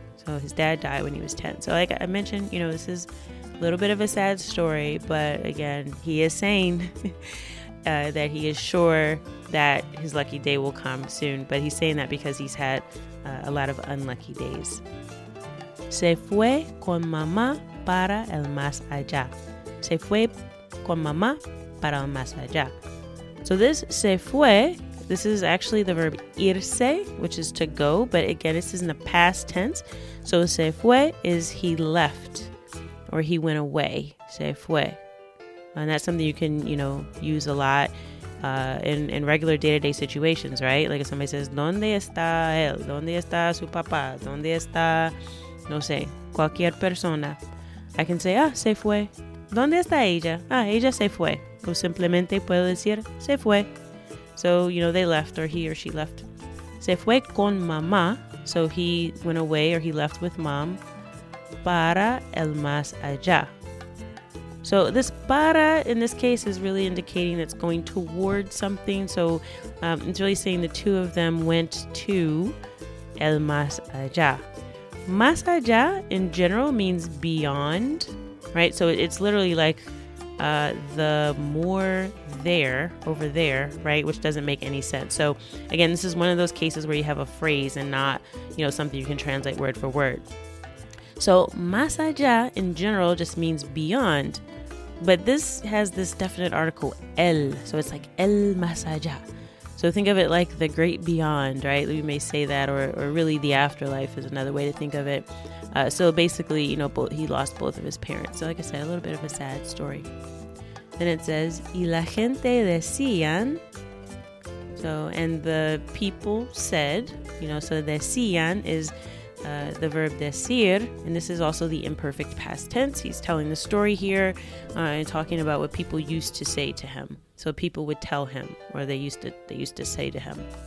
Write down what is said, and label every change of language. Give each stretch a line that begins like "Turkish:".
English: So, his dad died when he was 10. So, like I mentioned, you know, this is a little bit of a sad story, but again, he is saying that he is sure that his lucky day will come soon, but he's saying that because he's had a lot of unlucky days.
Spanish: Se fue con mamá para el más allá. Se fue con mamá para el más allá.
English: So this
Spanish: se fue,
English: this is actually the verb irse, which is to go, but again, this is in the past tense. So
Spanish: se fue
English: is he left or he went away.
Spanish: Se fue.
English: And that's something you can, you know, use a lot in regular day-to-day situations, right? Like if somebody says,
Spanish: ¿Dónde está él? ¿Dónde está su papá? ¿Dónde está, no sé, cualquier persona?
English: I can say,
Spanish: ah, se fue. ¿Dónde está ella? Ah, ella se fue. O simplemente puedo decir, se fue.
English: So, you know, they left or he or she left.
Spanish: Se fue con mamá.
English: So he went away or he left with mom.
Spanish: Para el más allá.
English: So this para in this case is really indicating that's going towards something. So it's really saying the two of them went to
Spanish: el más allá.
English: Más allá in general means beyond, right? So it's literally like the more there, over there, right? Which doesn't make any sense. So again, this is one of those cases where you have a phrase and not, you know, something you can translate word for word. So más allá in general just means beyond. But this has this definite article, el. So it's like
Spanish: el más allá.
English: So think of it like the great beyond, right? We may say that, or really the afterlife is another way to think of it. So basically, you know, he lost both of his parents. So like I said, a little bit of a sad story. Then it says,
Spanish: y la gente decían.
English: So, and the people said, you know, so decían is the verb decir, and this is also the imperfect past tense. He's telling the story here and talking about what people used to say to him. So people would tell him, or they used to say to him.